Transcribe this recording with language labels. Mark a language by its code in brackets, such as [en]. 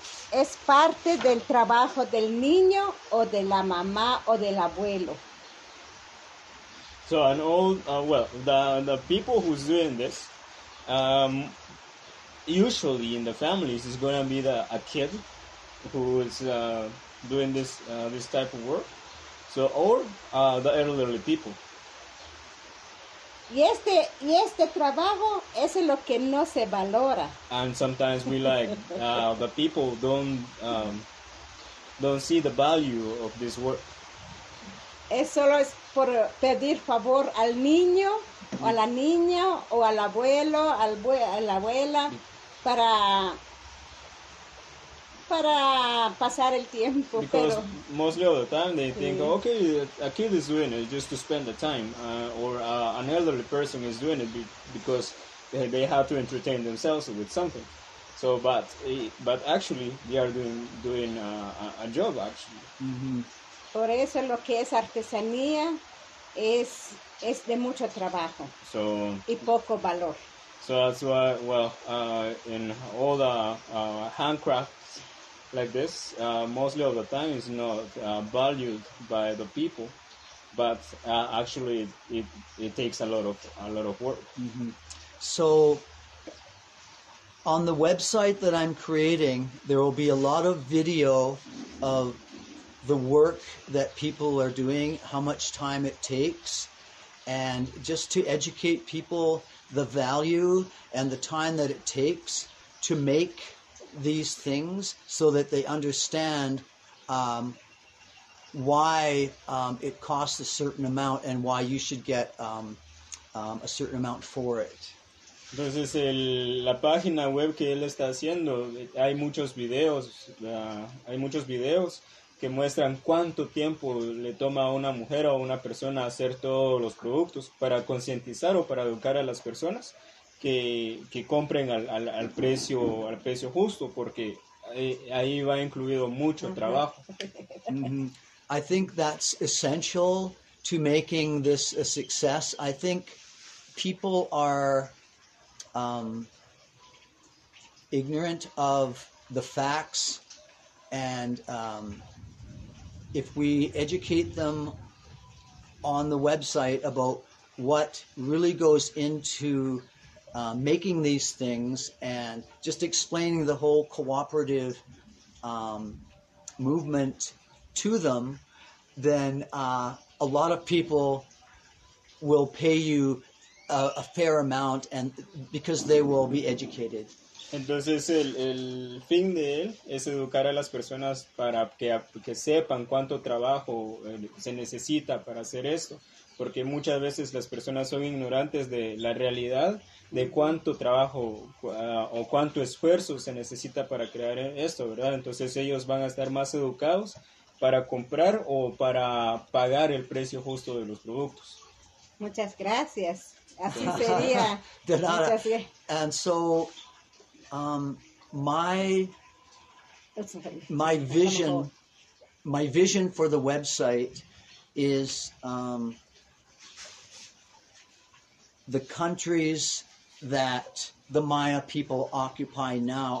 [es] Es parte del trabajo del niño o de la mamá o del abuelo. [en] So an old the people who's doing this, usually in the families is gonna be a kid who is doing this type of work. So or the elderly people. [es] Y este trabajo es lo que no se valora. [en] And sometimes we like the people don't see the value of this work. [es] Es solo es por pedir favor al niño o a la niña o al abuelo, a la abuela para pasar el tiempo. [en] Because [es] pero, [en] mostly of the time they think, okay, a kid is doing it just to spend the time, or an elderly person is doing it because they have to entertain themselves with something. So, but actually, they are doing a job actually. [es] Por eso lo que es artesanía es de mucho trabajo. [en] So [es] y poco valor. [en] So that's why, in all the handcraft. Like this, mostly of the time is not valued by the people, but actually it takes a lot of work. So, on the website that I'm creating, there will be a lot of video of the work that people are doing, how much time it takes, and just to educate people the value and the time that it takes to make these things so that they understand why it costs a certain amount and why you should get a certain amount for it. [es] Entonces la página web que él está haciendo, hay muchos videos que muestran cuánto tiempo le toma a una mujer o a una persona hacer todos los productos para concientizar o para educar a las personas. Que compren al precio justo porque ahí va incluido mucho trabajo. [en] I think that's essential to making this a success. I think people are ignorant of the facts and if we educate them on the website about what really goes into making these things and just explaining the whole cooperative movement to them, then a lot of people will pay you a fair amount, and because they will be educated. [es] Entonces el fin de él es educar a las personas para que sepan cuánto trabajo se necesita para hacer esto, porque muchas veces las personas son ignorantes de la realidad de cuánto trabajo o cuánto esfuerzo se necesita para crear esto, ¿verdad? Entonces ellos van a estar más educados para comprar o para pagar el precio justo de los productos. Muchas gracias. Así sería. De nada. Muchas gracias. [en] And so my vision for the website is the countries that the Maya people occupy now.